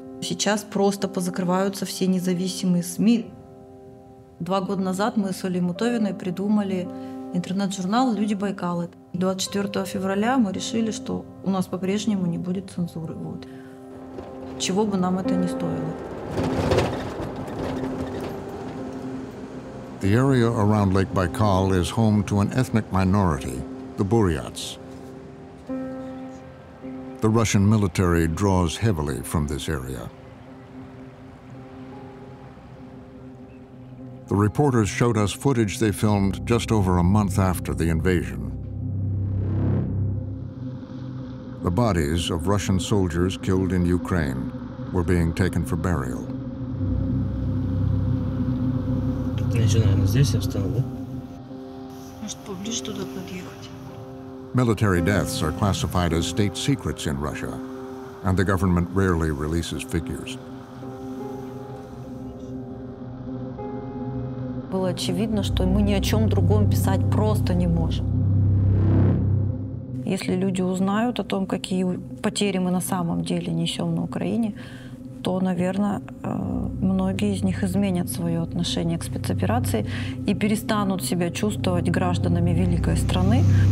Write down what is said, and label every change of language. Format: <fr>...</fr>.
<ru>Сейчас просто позакрываются все независимые СМИ. 2 года назад мы с Олей Мутовиной придумали интернет-журнал «Люди Байкала». 24 февраля мы решили, что у нас по-прежнему не будет цензуры. Вот. Чего бы нам это ни стоило.</ru> <en>The area around Lake Baikal is home to an ethnic minority, the Buryats. The Russian military draws heavily from this area. The reporters showed us footage they filmed just over a month after the invasion. The bodies of Russian soldiers killed in Ukraine were being taken for burial.</en> <ru>Начинаем здесь, я встану, да? Может, поближе туда подъехать?</ru> <en>Military deaths are classified as state secrets in Russia, and the government rarely releases figures.</en> <ru>Было очевидно, что мы ни о чем другом писать просто не можем. Если люди узнают о том, какие потери мы на самом деле несем на Украине, то, наверное, многие из них изменят свое отношение к спецоперации и перестанут себя чувствовать гражданами великой страны.</ru>